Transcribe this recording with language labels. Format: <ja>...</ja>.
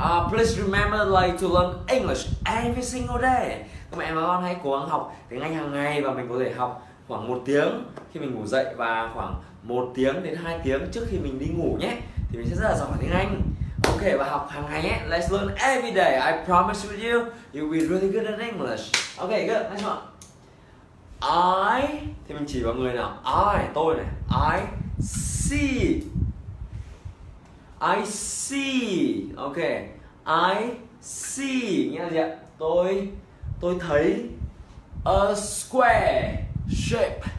<en>Please remember like to learn English every single day.</en> <vi>Các mẹ và con hãy cố gắng học tiếng Anh hàng ngày và mình có thể học khoảng 1 tiếng khi mình ngủ dậy và khoảng 1 tiếng đến 2 tiếng trước khi mình đi ngủ nhé. Thì mình sẽ rất là giỏi tiếng Anh. Ok, và học hàng ngày nhé.</vi> <en>Let's learn every day. I promise with you, you'll be really good at English. Ok, good, next one.</en> <vi>I, thì mình chỉ vào người nào.</vi> <en>I,</en> <vi>tôi này.</vi> <en>I see. I see. Ok, I see.</en> <vi>Nghĩa là gì ạ? Tôi thấy</vi> <en>a square shape.</en>